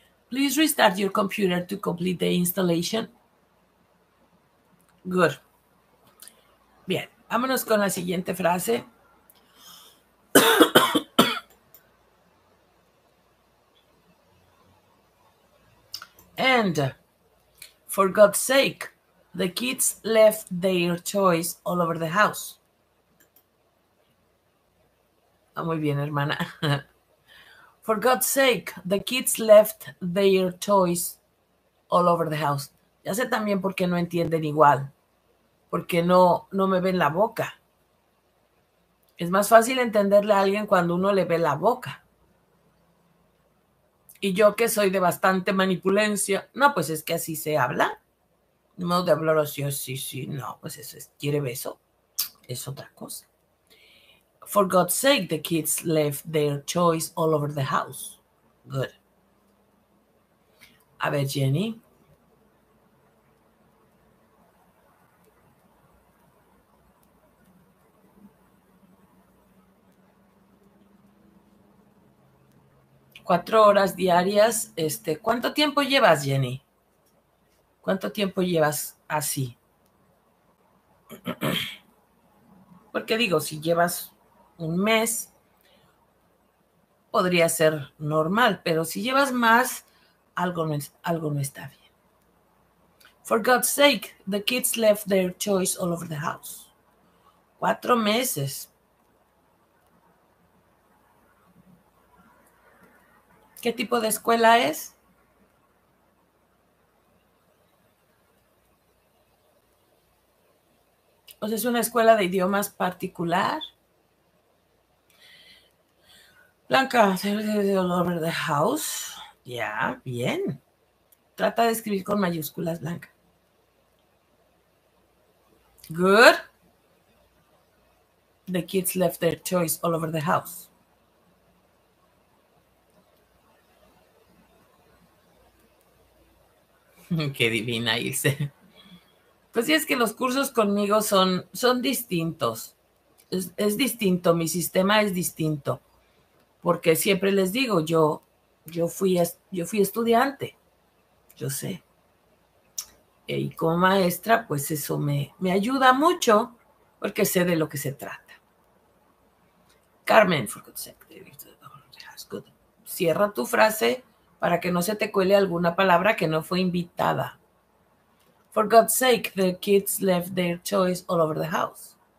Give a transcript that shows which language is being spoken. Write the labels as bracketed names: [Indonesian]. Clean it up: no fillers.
[English] Please restart your computer to complete the installation. Good. [Spanish] Bien, vámonos con la siguiente frase. [English] And for God's sake, the kids left their toys all over the house. [Spanish] Oh, muy bien, hermana. [English] For God's sake, the kids left their toys all over the house. [Spanish] Ya sé también por qué no entienden igual. Porque no me ven la boca. Es más fácil entenderle a alguien cuando uno le ve la boca. Y yo que soy de bastante manipulencia. No, pues es que así se habla. De modo de hablar así, sí, sí, no. Pues eso es, ¿quiere beso? Es otra cosa. [English] For God's sake, the kids left their toys all over the house. Good. [Spanish] A ver, Jenny. Cuatro horas diarias. ¿Cuánto tiempo llevas, Jenny? ¿Cuánto tiempo llevas así? Porque digo, si llevas un mes, podría ser normal, pero si llevas más, algo no está bien. [English] For God's sake, the kids left their toys all over the house. [Spanish] 4 meses. ¿Qué tipo de escuela es? ¿O sea, es una escuela de idiomas particular? [English] Blanca, all over the house. [Spanish] Ya, bien. Trata de escribir con mayúsculas, Blanca. [English] Good. The kids left their toys all over the house. [Spanish] Qué divina, Ilse. Pues sí, es que los cursos conmigo son distintos. Es distinto, mi sistema es distinto. Porque siempre les digo, yo fui estudiante, yo sé. Y como maestra, pues eso me ayuda mucho porque sé de lo que se trata. [English] Carmen, for God's sake, good. [Spanish] Cierra tu frase para que no se te cuele alguna palabra que no fue invitada. [English] For God's sake, the kids left their toys all over the house.